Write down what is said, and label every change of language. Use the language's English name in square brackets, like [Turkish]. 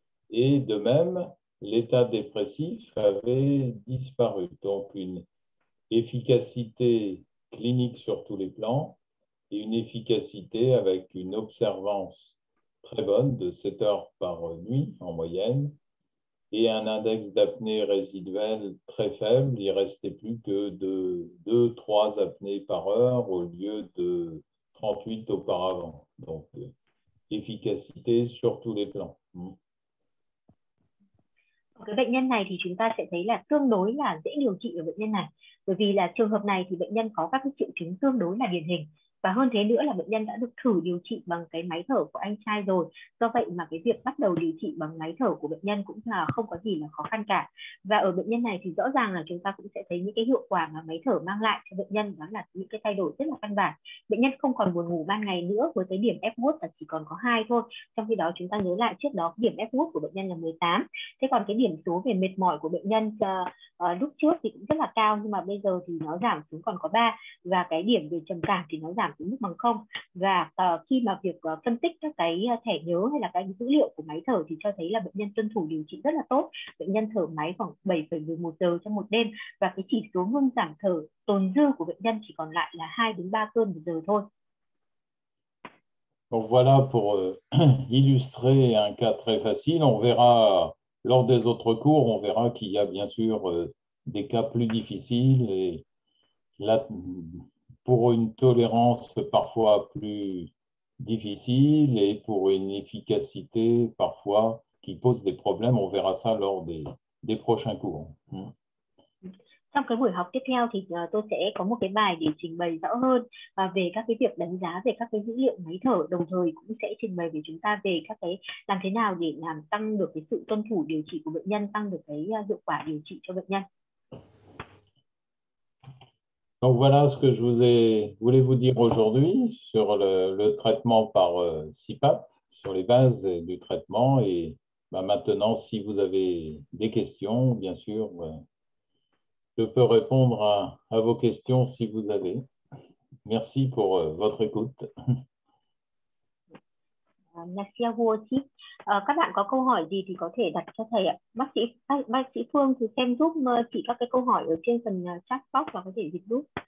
[French] et de même, l'état dépressif avait disparu, donc une efficacité clinique sur tous les plans et une efficacité avec une observance très bonne de 7 heures par nuit en moyenne et un index d'apnée résiduelle très faible, il ne restait plus que de 2-3 apnées par heure au lieu de 38 auparavant, donc efficacité sur tous les plans. [Vietnamese] Cái bệnh nhân này thì chúng ta sẽ thấy là tương đối là dễ điều trị ở bệnh nhân này bởi vì là trường hợp này thì bệnh nhân có các cái triệu chứng tương đối là điển hình và hơn thế nữa là bệnh nhân đã được thử điều trị bằng cái máy thở của anh trai rồi do vậy mà cái việc bắt đầu điều trị bằng máy thở của bệnh nhân cũng là không có gì là khó khăn cả và ở bệnh nhân này thì rõ ràng là chúng ta cũng sẽ thấy những cái hiệu quả mà máy thở mang lại cho bệnh nhân đó là những cái thay đổi rất là căn bản bệnh nhân không còn buồn ngủ ban ngày nữa với cái điểm Epworth là chỉ còn có 2 thôi trong khi đó chúng ta nhớ lại trước đó điểm Epworth của bệnh nhân là 18 thế còn cái điểm số về mệt mỏi của bệnh nhân lúc trước thì cũng rất là cao nhưng mà bây giờ thì nó giảm xuống còn có 3 và cái điểm về trầm cảm thì nó giảm mức bằng không và khi mà việc phân tích các cái thẻ nhớ hay là các dữ liệu của máy thở thì cho thấy là bệnh nhân tuân thủ điều trị rất là tốt bệnh nhân thở máy khoảng 7,11 giờ trong một đêm và cái chỉ số ngưng giảm thở tồn dư của bệnh nhân chỉ còn lại là 2-3 cơn một giờ thôi. [French] Donc voilà pour illustrer un cas très facile. On verra lors des autres cours, on verra qu'il y a bien sûr des cas plus difficiles et là pour une tolérance parfois plus difficile et pour une efficacité parfois qui pose des problèmes. On verra ça lors des prochains cours. [Vietnamese] Trong cái buổi học tiếp theo thì tôi sẽ có một cái bài để trình bày rõ hơn về các cái việc đánh giá về các cái dữ liệu máy thở đồng thời cũng sẽ trình bày với chúng ta về các cái làm thế nào để làm tăng được cái sự tuân thủ điều trị của bệnh nhân, tăng được cái hiệu quả điều trị cho bệnh nhân. [French] Donc voilà ce que je voulais vous dire aujourd'hui sur le traitement par CPAP. sur les bases du traitement. Et bah, maintenant, si vous avez des questions, bien sûr, je peux répondre à vos questions si vous avez. Merci pour votre écoute. Merci à vous aussi. [Vietnamese] Các bạn có câu hỏi gì thì có thể đặt cho thầy ạ. Bác sĩ Phương thì xem giúp chị các cái câu hỏi ở trên phần chat box và có thể dịch giúp.